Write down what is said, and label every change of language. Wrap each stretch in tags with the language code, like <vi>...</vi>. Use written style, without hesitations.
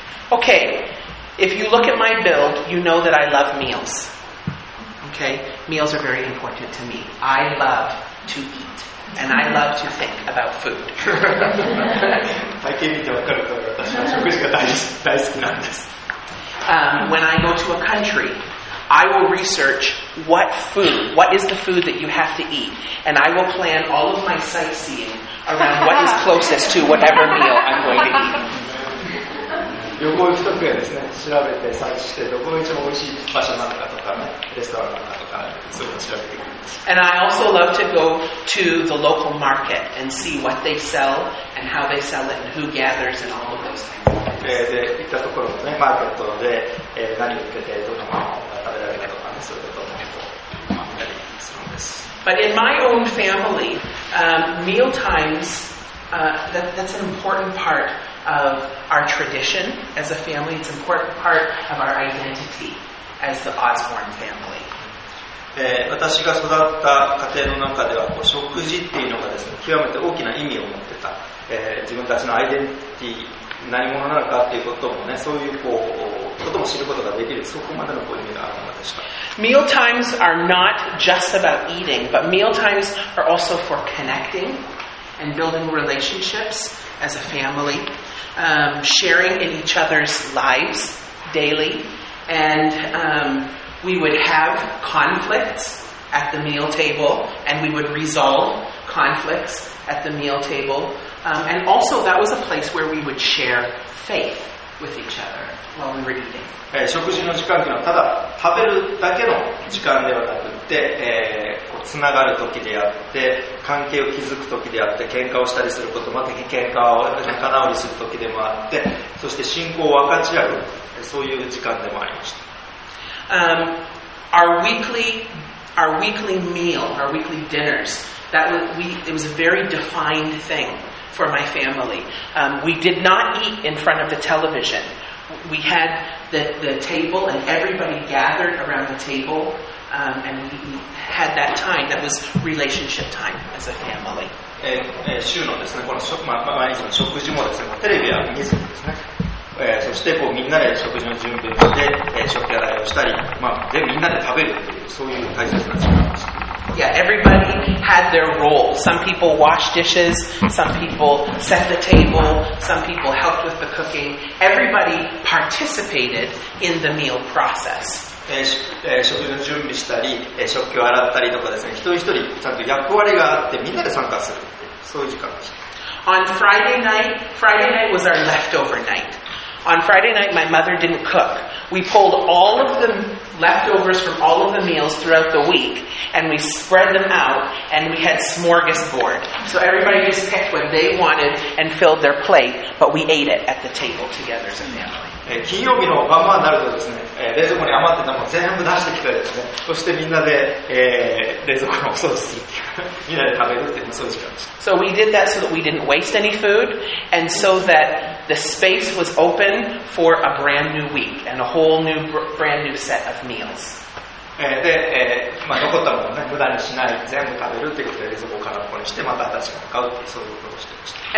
<en>Okay, if you look at my build, you know that I love meals. Okay, meals are very important to me. I love to eat. And I love to think about food.</en> <ja>体験見てわかると私は食事が大好きなんです。</ja> <en>When I go to a country, I will research what food, what is the food that you have to eat, and I will plan all of my sightseeing around what is closest to whatever meal I'm going to eat.</en> <ja>旅行行くときはですね、調べて探して、どこが一番美味しい場所なのかとかね、レストランなのかとか、そういうのを調べていく。</ja> <en>And I also love to go to the local market and see what they sell and how they sell it and who gathers and all of those things.</en> <ja>で、行ったところもね、マーケットで、何を売ってて、どのものが食べられるとかね、そういうことを思ったりするんです。</ja> <en>But in my own family, mealtimes, that's an important part of our tradition as a family. It's an important part of our identity as the Osborne family.</en> <ja>私が育った家庭の中ではこう食事っていうのがですね極めて大きな意味を持ってた、自分たちのアイデンティティ何者なのかっていうこともねそういうこうことも知ることができるそこまでのこう意味があるものでした。</ja> <en>Meal times are not just about eating but meal times are also for connecting and building relationships as a family, sharing in each other's lives daily, and we would have conflicts at the meal table, and we would resolve conflicts at the meal table, and also that was a place where we would share faith with each other while we were eating.</en> <ja>食事の時間というのはただ食べるだけの時間ではなくて、こうつながる時であって、関係を築く時であって、喧嘩をしたりすることもあって、喧嘩を仲直りする時でもあって、そして信仰を分かち合う、そういう時間でもありました。</ja> <en>Our weekly meal, our weekly dinners, that it was a very defined thing for my family. We did not eat in front of the television. We had the table and everybody gathered around the table, and we had that time. That was relationship time as a family.</en> <ja>週のですね、この食、まあ、毎日の食事もですね、テレビは見ずにですね。そしてこうみんなで食事の準備をして、食器洗いをしたり、まあ、でみんなで食べるというそういう大切な時間です。</ja> <en>Yeah, everybody had their role. Some people washed dishes, some people set the table, some people helped with the cooking. Everybody participated in the meal process.</en> <ja>食事の準備したり、食器を洗ったりとかですね、一人一人ちゃんと役割があってみんなで参加するそういう時間です。</ja> <en>On Friday night was our leftover night. On Friday night, my mother didn't cook. We pulled all of the leftovers from all of the meals throughout the week, and we spread them out, and we had smorgasbord. So everybody just picked what they wanted and filled their plate, but we ate it at the table together as a family.</en> <ja>金曜日の晩晩になるとですね、冷蔵庫に余ってたものを全部出してきてですね、そしてみんなで、冷蔵庫のお掃除するっていう、みんなで食べるっていうのそういう時間でした。</ja> <en>So we did that so that we didn't waste any food, and so that the space was open for a brand new week, and a whole new, brand new set of meals.</en> <ja>で、まあ、残ったものを、ね、無駄にしない、全部食べるっていうことで冷蔵庫空っぽにして、また新しいものを買うっていう、そういうことをしてました。</ja>